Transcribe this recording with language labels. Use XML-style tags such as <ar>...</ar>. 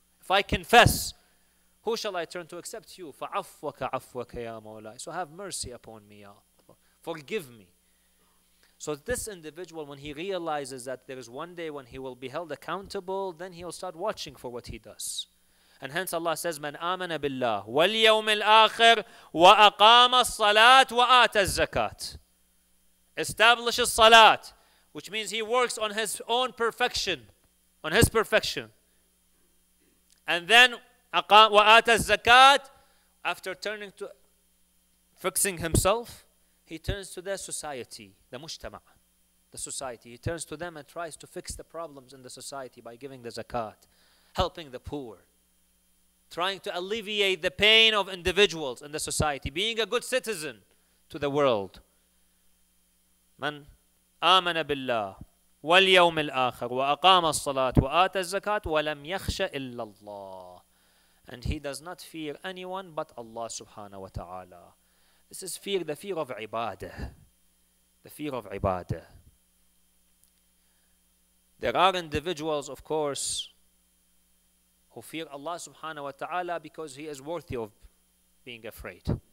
<en>If I confess, who shall I turn to except you?</en> <ar>فَعَفْوَكَ عَفْوَكَ يَا مَوْلَىٰ.</ar> <en>So have mercy upon me, ya Allah. Forgive me. So this individual, when he realizes that there is one day when he will be held accountable, then he will start watching for what he does.</en> <ar>And hence Allah says, مَنْ آمَنَ بِاللَّهِ وَالْيَوْمِ الْآخِرِ وَأَقَامَ الصَّلَاةِ وَآتَ الزَّكَاةِ.</ar> <en>Establishes salat, which means he works on his own perfection, on his perfection. And then,</en> <ar>وَآتَ الزَّكَاةِ,</ar> <en>after turning to fixing himself, he turns to their society, the mujtama, the society. He turns to them and tries to fix the problems in the society by giving the zakat, helping the poor, trying to alleviate the pain of individuals in the society, being a good citizen to the world.</en> <ar>من آمن بالله واليوم الآخر وأقام الصلاة وآت الزكاة ولم يخش إلا الله.</ar> <en>And he does not fear anyone but Allah subhanahu wa ta'ala. This is fear, the fear of ibadah. The fear of ibadah. There are individuals, of course, who fear Allah subhanahu wa ta'ala because he is worthy of being afraid.</en>